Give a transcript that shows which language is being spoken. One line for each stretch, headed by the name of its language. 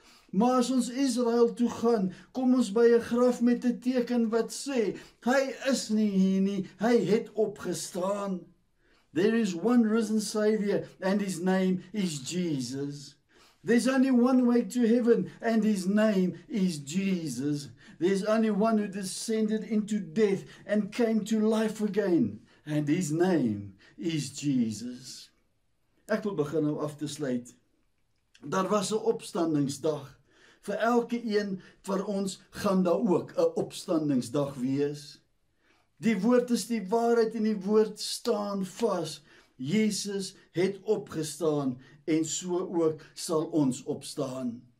Afrikaans: Maar as ons Israel toe gaan, kom ons by 'n graf met 'n teken wat sê, hy is nie hier nie, hy het opgestaan.
English: There is one risen Savior, and his name is Jesus. There's only one way to heaven, and his name is Jesus. There's only one who descended into death and came to life again, and his name is Jesus.
Afrikaans: Ek wil begin nou af te sluit. Daar was 'n opstandingsdag. Vir elke een van ons gaan daar ook 'n opstandingsdag wees. Die woord is die waarheid en die woord staan vas. Jesus het opgestaan en so ook sal ons opstaan.